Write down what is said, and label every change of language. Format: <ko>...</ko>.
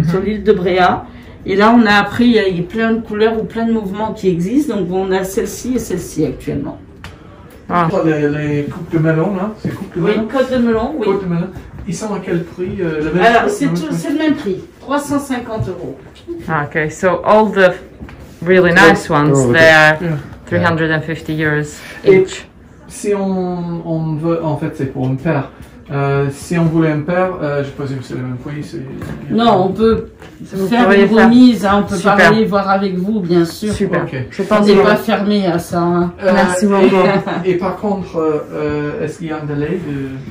<fr>Sur l'île de Bréa. Et là, on a appris, il y a plein de couleurs ou plein de mouvements qui existent. Donc, on a celle-ci et celle-ci actuellement. Ah. Les coupes de melon, là. C'est coupes de melon. Oui, côtes de melon, oui. Côtes de melon. Ils sont à quel prix la même Alors, c'est, tout, c'est le même prix. 350 euros.</fr> <en>Ok, so all the really nice ones, they are 350 euros each.</en> <fr>Et si on veut, en fait, c'est pour une paire. Si on voulait un paire, je présume que c'est le même prix. Non, on peut faire une remise, on peut Super. Parler, voir avec vous, bien sûr. Super. Okay. Je pense qu'on n'est pas fermé à ça. Hein. Merci beaucoup. Et par contre, est-ce qu'il y a un délai de...</fr>